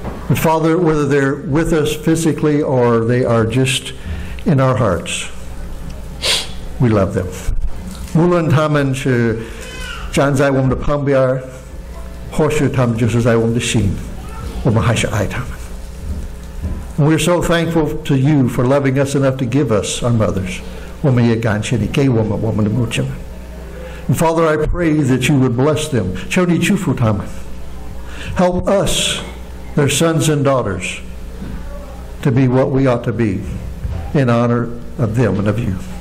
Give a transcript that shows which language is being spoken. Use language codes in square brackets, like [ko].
[en] But Father, whether they're with us physically or they are just in our hearts, we love them. [zh] 无论他们是站在我们的旁边，或许他们就是在我们的心，我们还是爱他们。 [en] We're so thankful to you for loving us enough to give us our mothers. [zh] 我们也感谢你给我们我们的母亲们。 [en] And Father, I pray that you would bless them. [zh] 求你祝福他们。 [en] Help us, their sons and daughters, to be what we ought to be in honor of them and of you.